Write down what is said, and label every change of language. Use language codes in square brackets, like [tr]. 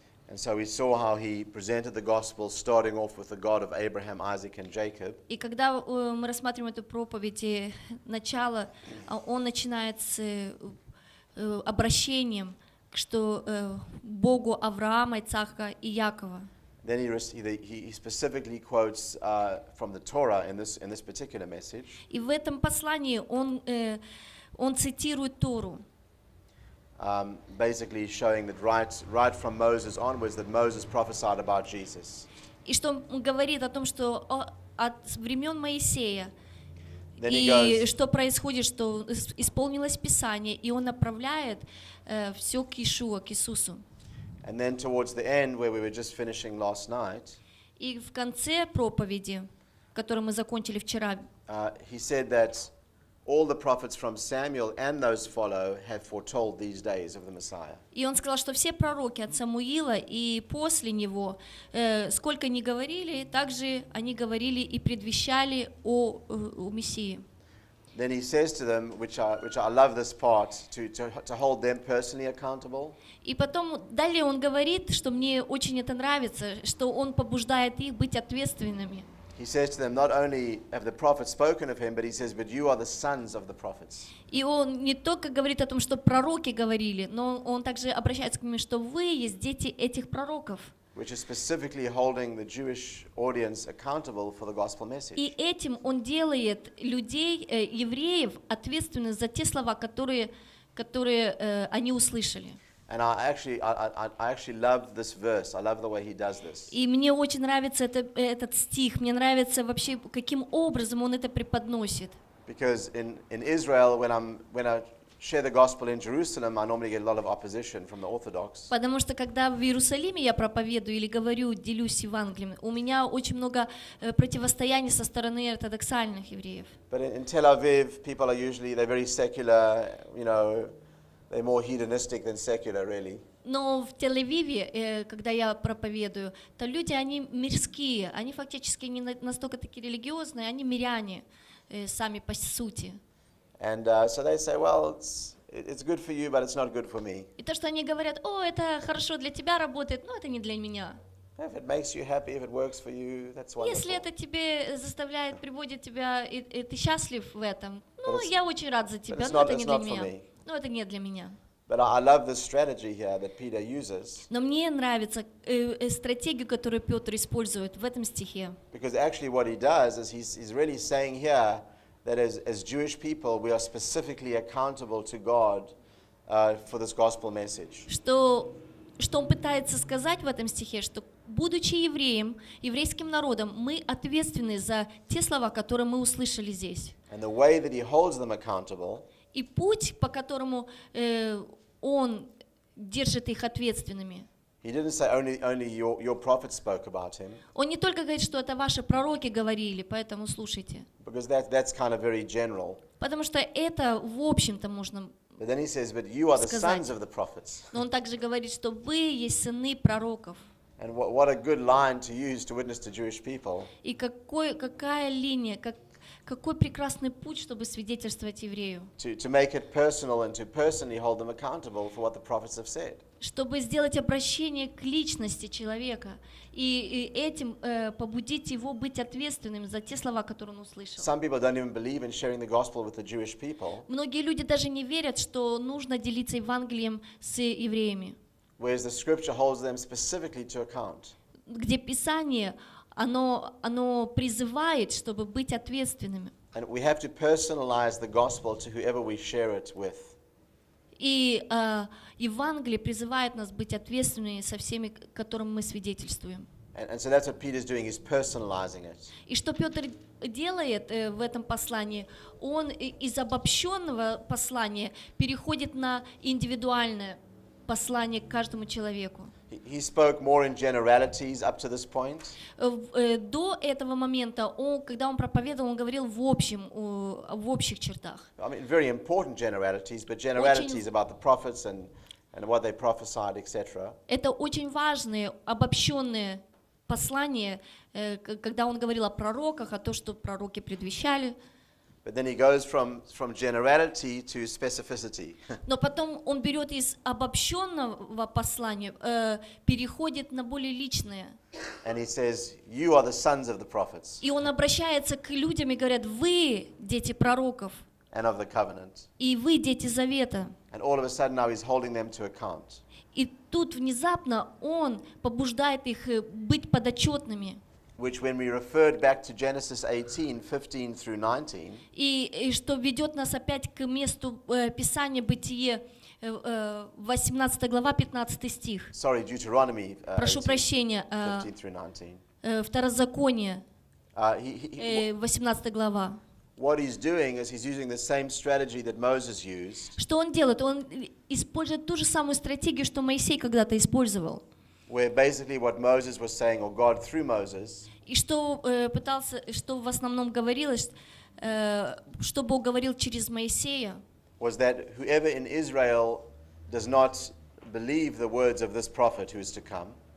[en] And so we saw how he presented the gospel, starting off with the God of Abraham, Isaac, and Jacob. [ru] И когда мы рассматриваем эту проповедь, начало он начинает с обращением. Что Богу Авраама, Ицхака и Якова. [en] Then he specifically quotes from the Torah in this particular message. [ru] И в этом послании он цитирует Тору. [en] Basically showing that right from Moses onwards that Moses prophesied about Jesus. [ru] И что он говорит о том, что от времен Моисея. [en] Then [ru] и [en] goes, [ru] что происходит, что исполнилось Писание, и он направляет все к Иешуа, к Иисусу. [en] And then towards the end, where we were just finishing last night, [ru] и в конце проповеди, которую мы закончили вчера, [en] he said that all the prophets from Samuel and those follow have foretold these days of the Messiah. [ru] И он сказал, что все пророки от Самуила и после него, сколько ни говорили, также они говорили и предвещали о Мессии. [en] Then he says to them, which I love this part, to hold them personally accountable. [ru] И потом далее он говорит, что мне очень это нравится, что он побуждает их быть ответственными. [en] He says to them, not only have the prophets spoken of him, but he says, but you are the sons of the prophets. [ru] И он не только говорит о том, что пророки говорили, но он также обращается к ним, что вы есть дети этих пророков. [en] Which is specifically holding the Jewish audience accountable for the gospel message. [ru] И этим он делает людей, евреев, ответственны за те слова, которые они услышали. [en] And I actually love this verse. I love the way he does this. [ru] И мне очень нравится этот стих. Мне нравится вообще каким образом он это преподносит. [en] Because in Israel, when I share the gospel in Jerusalem, I normally get a lot of opposition from the Orthodox. [ru] Потому что когда в Иерусалиме я проповедую или говорю, делюсь Евангелием, у меня очень много противостояния со стороны ортодоксальных евреев. [en] But in Tel Aviv, people are usually they're very secular, you know, they're more hedonistic than secular, really. [ru] Но в Тель-Авиве, когда я проповедую, то люди они мирские, они фактически не настолько такие религиозные, они миряне сами по сути. [en] And so they say, well, it's good for you, but it's not good for me. [ru] И то, что они говорят, о, это хорошо для тебя работает, но это не для меня. [en] If it makes you happy, if it works for you, that's wonderful. [ru] Если это тебе заставляет, приводит тебя, и ты счастлив в этом, ну, я очень рад за тебя, но это не для меня. Но это не для меня. [en] But I love the strategy here that Peter uses. [ru] Но мне нравится стратегию, которую Петр использует в этом стихе. [en] Because actually what he does is he's really saying here, that as Jewish people, we are specifically accountable to God for this gospel message. [ru] Что он пытается сказать в этом стихе, что будучи евреем, еврейским народом, мы ответственны за те слова, которые мы услышали здесь. [en] And the way that he holds them accountable. [ru] И путь, по которому он держит их ответственными. [en] He didn't say only your prophet spoke about him. [ru] Он не только говорит, что это ваши пророки говорили, поэтому слушайте. [en] Because that's kind of very general. [ru] Потому что это в общем-то можно. [en] But then he says, but you are the sons of the prophets. [ru] Но он также говорит, что вы есть сыны пророков. [en] And what a good line to use to witness to Jewish people. [ru] И какая линия, какой прекрасный путь, чтобы свидетельствовать еврею. [en] To make it personal and to personally hold them accountable for what the prophets have said. [ru] Чтобы сделать обращение к личности человека и этим побудить его быть ответственным за те слова, которые он услышал. [en] Some people don't even believe in sharing the gospel with the Jewish people. [ru] Многие люди даже не верят, что нужно делиться Евангелием с евреями. [en] Whereas the scripture holds them specifically to account. [ru] Где Писание, оно призывает, чтобы быть ответственными. [en] And we have to personalize the gospel to whoever we share it with. [ru] И Евангелие призывает нас быть ответственными со всеми, которым мы свидетельствуем. [en] And so that's what Peter's doing, he's personalizing it. [ru] И что Петр делает в этом послании, он из обобщенного послания переходит на индивидуальное послание к каждому человеку. [en] He spoke more in generalities up to this point. [ru] До этого момента, когда он проповедовал, он говорил в общих чертах. [en] I mean, very important generalities, but generalities about the prophets and what they prophesied, etc. [ru] Это очень важные обобщенные послания, когда он говорил о пророках, о том, что пророки предвещали. [en] But then he goes from generality to specificity. [ru] Но потом он берет из обобщенного послания переходит на более личное. [en] And he says, "You are the sons of the prophets." [ru] И он обращается к людям и говорит: "Вы дети пророков." [en] And of the covenant. [ru] И вы дети завета. [en] And all of a sudden, now he's holding them to account. [ru] И тут внезапно он побуждает их быть подотчетными. [en] Which when we referred back to Genesis 18, 15 through 19. [ru] И что ведет нас опять к месту Писания Бытие 18 глава 15 стих. [en] Sorry, Deuteronomy. [ru] Прошу прощения. [en] 15 through 19. [ru] Второзаконие. 18 глава. [en] What he's doing is he's using the same strategy that Moses used. [ru] Что он делает? Он использует ту же самую стратегию, что Моисей когда-то использовал. [en] Where basically what Moses was saying, or God through Moses. [ru] И что пытался, что в основном говорилось, что Бог говорил через Моисея. [en] Was that whoever in Israel does not believe the words of this prophet who is to come?